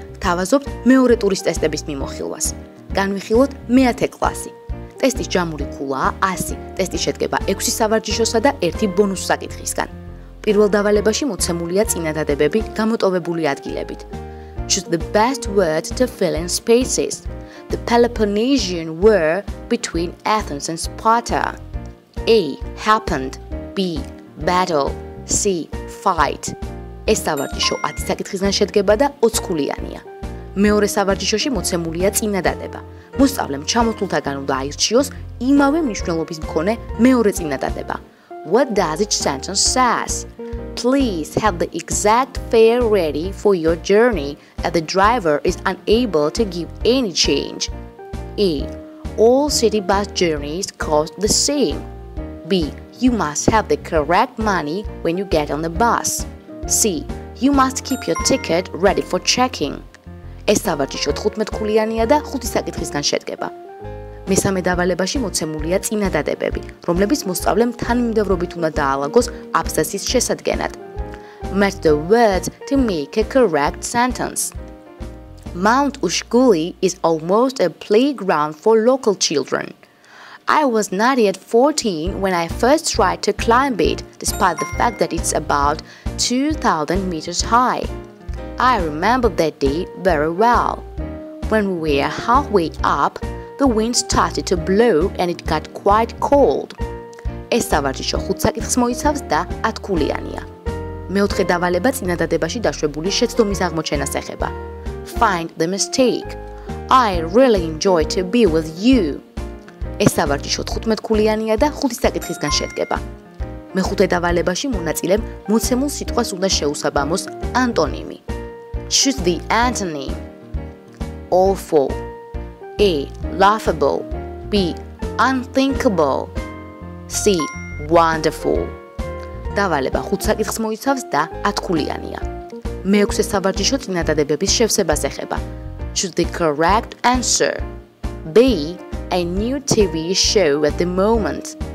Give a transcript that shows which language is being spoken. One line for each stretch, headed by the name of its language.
Georgian: თავაზობთ მეორე ტურის ტესტების მიმოხილვას. განვიხილოთ მეათე კლასი. ტესტის ჯამური ქულაა 100. ტესტი შედგება 6 სავარჯიშოსა და 1 ბონუს საკითხისგან. პირველ დავალებაში მოცემულია წინადადებები გამოტოვებული ადგილებით.
English: Choose the best word to fill in spaces. The Peloponnesian war between Athens and Sparta. A. Happened. B. Battle. C. Fight.
Georgian: ეს სავარჯიშო 10 საკითხისგან შედგება და 20 ქულიანია. მეორე სავარჯიშოში მოცემულია წინადადება. მოსწავლემ ჩამოთვლითაგან უნდა აირჩიოს იმავე მნიშვნელობის მქონე მეორე წინადადება.
English: What does each sentence says? Please have the exact fare ready for your journey as the driver is unable to give any change. A. All city bus journeys cost the same. B. You must have the correct money when you get on the bus. C. You must keep your ticket ready for checking.
Georgian: ეს სავარჯიშო 15 ქულიანია და 5 საკითხისგან შედგება. მესამე დავალებაში მოცემულია წინადადებები, რომლებიც მოსწავლემ თანმიმდევრობით უნდა დაალაგოს აბსასის შესადგენად.
English: Match the words to make a correct sentence. Mount Ushguli is almost a playground for local children. I was not yet 14 when I first tried to climb it, despite the fact that it's about 2,000 meters high. I remember that day very well. When we were halfway up, the wind started to blow and it got quite cold.
Georgian: ეს სავარჯიშო 5 საკითხს მოიცავს და 10 ქულიანია. მეოთხე დავალება წინადადებაში დაშვებული შეცდომის აღმოჩენას ეხება.
English: Find the mistake. I really enjoy to be with you.
Georgian: ეს სავარჯიშო 15 ქულიანია და 5 საკითხისგან შედგება. მეხუთე დავალებაში მონაწილემ მოცემულ სიტყვას უნდა შეუსაბამოს ანტონიმი.
English: Choose the antonym. Awful. A. Laughable. B. Unthinkable. C. Wonderful.
Georgian: დავალება 5 საკითხს მოიცავს და 10 ქულიანია. მეექვსე სავარჯიშო წინადადებების შევსებას ეხება.
English: Choose the correct answer. B. A new TV show at the moment.